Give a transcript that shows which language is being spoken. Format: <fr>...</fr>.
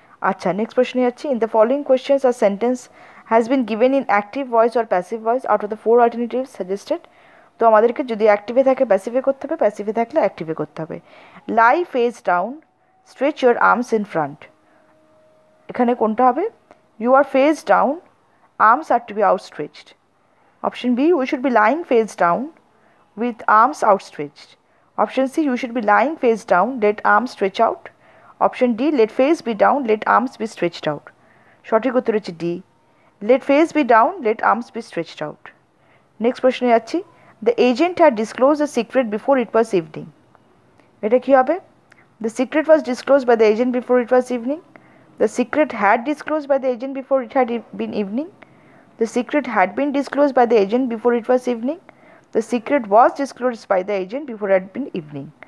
<bn>আচ্ছা, নেক্সট প্রশ্নে যাচ্ছি,</bn> <en>In the following questions are sentence has been given in active voice or passive voice out of the four alternative suggested.</en> <bn>তো আমাদেরকে যদি অ্যাক্টিভে থাকে প্যাসিভে করতে হবে, প্যাসিভে থাকলে অ্যাক্টিভে করতে হবে.</bn> <en>Lie face down, stretch your arms in front.</en> <bn>এখানে কোনটা হবে?</bn> <en>You are face down, arms are to be outstretched. Option B, we should be lying face down with arms outstretched. Option C, you should be lying face down, let arms stretch out. Option D, let face be down, let arms be stretched out.</en> <bn>সঠিক উত্তর হচ্ছে D,</bn> <en>Let face be down, let arms be stretched out.</en> <bn>Next প্রশ্নে যাচ্ছি,</bn> <en>The agent had disclose the secret before it was evening.</en> <bn>এটা কী হবে,</bn> <en>The secret was disclose by the agent before it was evening, the secret had disclose by the agent before it had been evening, the secret had been disclose by the agent before it was evening, the secret was disclose by the agent before had been evening.</en>